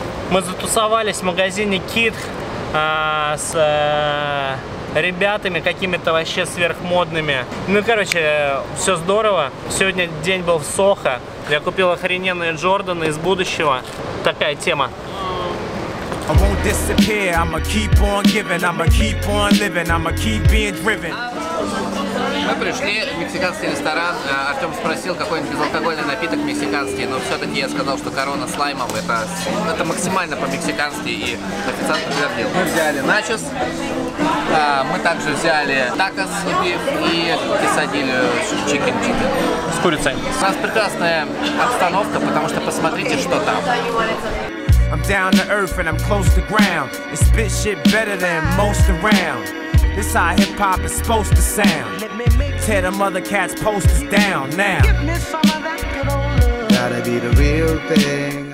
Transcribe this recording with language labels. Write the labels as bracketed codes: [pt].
[ru] Мы затусовались в магазине Kid с... ребятами какими-то вообще сверхмодными. Ну, короче, все здорово. Сегодня день был в Сохо. Я купил охрененные Джорданы из будущего. Такая тема. [en] I won't disappear, I'ma keep on giving, I'ma keep on living, I'ma keep being driven. [ru] Мы пришли в мексиканский ресторан. Артем спросил какой-нибудь безалкогольный напиток мексиканский, но все-таки я сказал, что корона слаймов это максимально по-мексикански, и официант подтвердил. Мы взяли начос, мы также взяли такос и кесадилью чикен-чикен. С курицей. У нас прекрасная обстановка, потому что посмотрите, что там. [en] I'm down to earth and I'm close to ground. It spit shit better than most around. This how hip-hop is supposed to sound. Tear the mother cat's posters down now. Give me some of that good old love. Gotta be the real thing.